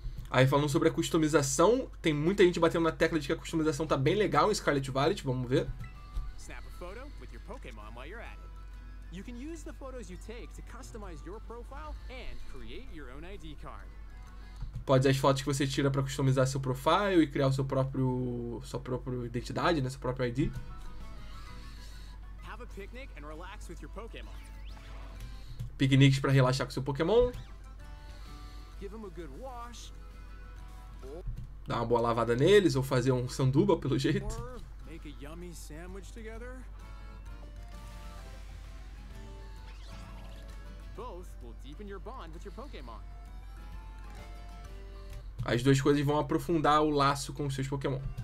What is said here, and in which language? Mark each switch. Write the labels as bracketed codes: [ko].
[pt] Aí falando sobre a customização, tem muita gente batendo na tecla de que a customização tá bem legal em Scarlet Violet, vamos ver. [en] Snap [pt] a foto com seu [en] Pokémon while you're at it. You can use the photos you take to customize your profile and create your own ID card. [pt] Pode usar as fotos que você tira para customizar seu profile e criar o seu próprio, sua própria identidade, né, seu próprio ID. [en] Have a picnic and relax with your Pokémon. [pt] Piqueniques para relaxar com seu Pokémon. [en] Give him a good wash. [pt] Dar uma boa lavada neles ou fazer um sanduba pelo jeito. [en] Make a yummy sandwich together. Both will deepen your bond with your Pokémon. [pt] As duas coisas vão aprofundar o laço com os seus Pokémon.